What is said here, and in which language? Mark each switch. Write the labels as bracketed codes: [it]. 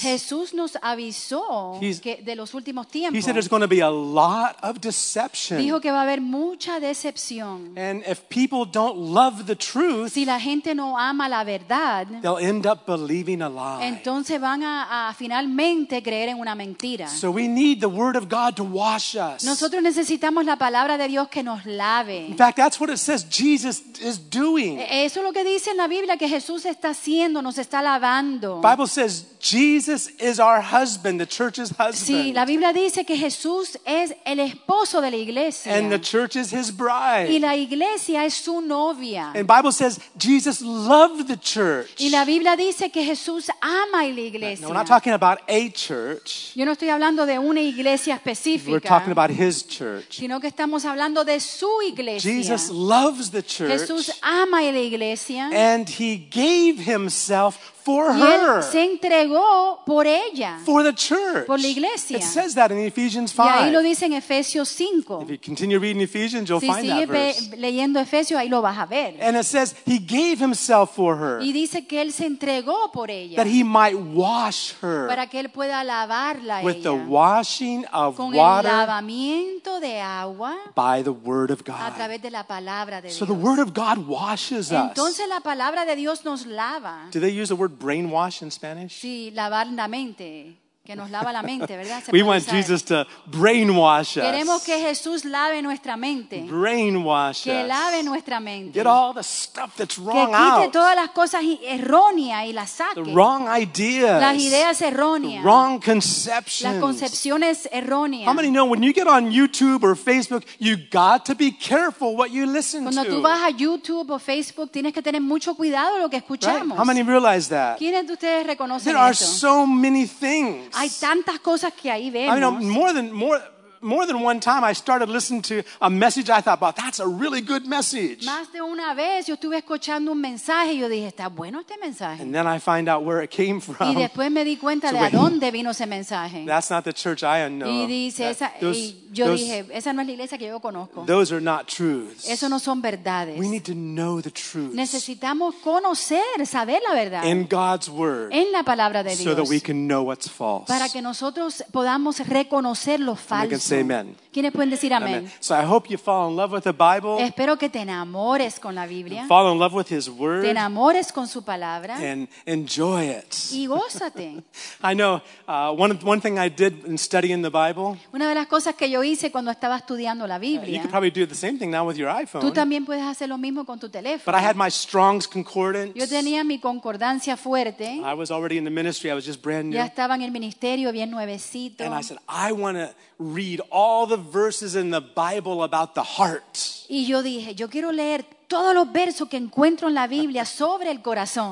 [es] Jesús nos avisó que de los últimos tiempos. [en] He said there's going to be a lot of deception. [es] Dijo que va a haber mucha decepción. [en] And if people don't love the truth, [es] si la gente no ama la verdad, [en] they'll end up believing a lie. [es] Entonces van a finalmente creer en una mentira. [en] So we need the word of God to wash us. [es] Nosotros necesitamos la palabra de Dios que nos lave. [en] In fact, that's what it says Jesus is doing. [es] Eso es lo que dice en la Biblia que Jesús está haciendo, nos está lavando. [en] The Bible says Jesus is our husband, the church's husband. [es] Sí, la Biblia dice que Jesús es el esposo de la iglesia. [en] And the church is his bride. [es] Y la iglesia es su novia. [en] And the Bible says Jesus loved the church. [es] Y la Biblia dice que Jesús ama la iglesia. [en] No, we're not talking about a church. [es] Yo no estoy hablando de una iglesia específica. [en] We're talking about his church. [es] Sino que estamos hablando de su iglesia. [en] Jesus loves the church. [es] Jesús ama la iglesia. [en] And he gave himself for her. [es] Y él se entregó por ella. [en] For the church. [es] Por la iglesia. [en] It says that in Ephesians 5. [es] Y ahí lo dice en Efesios 5. [en] If you continue reading Ephesians, you'll find that verse. [es] Si sigue leyendo Efesios, ahí lo vas a ver. [en] And it says he gave himself for her. [es] Y dice que él se entregó por ella. [en] That he might wash her. [es] Para que él pueda lavarla a ella. [en] With the washing of [es] con [en] water. [es] Con el lavamiento de agua. [en] By the word of God. [es] A través de la palabra de Dios. [en] So the word of God washes us. [es] Entonces la palabra de Dios nos lava. [en] Do they use the word brainwash in Spanish? [es] Sí, lavar la mente, que nos lava la mente, ¿verdad? [en] We want Jesus to brainwash us. [es] Queremos que Jesús lave nuestra mente. [en] Brainwash [es] que lave nuestra mente. [en] Get all the stuff that's wrong [es] que quite [en] out. [es] Todas las cosas erróneas y las saque. [en] The wrong ideas. [es] Las ideas erróneas. [en] The wrong conceptions. [es] Las concepciones erróneas. [en] How many know when you get on YouTube or Facebook, you got to be careful what you listen [es] cuando [en] to. [es] Cuando tú vas a YouTube o Facebook, tienes que tener mucho cuidado lo que escuchamos. [en] Right? How many realize that? [es] ¿Quiénes de ustedes reconocen [en] there [es] esto? [en] Are so many things. [es] Hay tantas cosas que ahí vemos. [en] I mean, more than one time I started listening to a message I thought, "Wow, that's a really good message." [es] Más de una vez yo estuve escuchando un mensaje y yo dije, "Está bueno este mensaje." [en] And then I find out where it came from. [es] Y después me di cuenta de a dónde vino ese mensaje. [en] That's not the church I know. [es] Y dice esa yo dije, esa no es la iglesia que yo conozco. [en] Those are not truths. [es] Eso no son verdades. [en] We need to know the truth. [es] Necesitamos conocer, saber la verdad. [en] In God's word. [es] En la palabra de Dios. [en] So that we can know what's false. [es] Para que nosotros podamos reconocer lo falso. [en] And we can say amen. [es] ¿Quiénes pueden decir amén? [en] So I hope you fall in love with the Bible. [es] Espero que te enamores con la Biblia. [en] And fall in love with his word. [es] Te enamores con su palabra. [en] And enjoy it. [es] Y gózate. [en] I know one thing I did in studying the Bible. [es] Una de las cosas que yo hice cuando estaba estudiando la Biblia. [en] You could probably do the same thing now with your iPhone. [es] Tú también puedes hacer lo mismo con tu teléfono. [en] But I had my Strong's Concordance. [es] Yo tenía mi concordancia fuerte. [en] I was already in the ministry. I was just brand new. [es] Ya estaba en el ministerio bien nuevecito. [en] And I said, I want to read all the verses in the Bible about the heart. [es] Y yo dije, yo quiero leer todos los versos que encuentro en la Biblia sobre el corazón.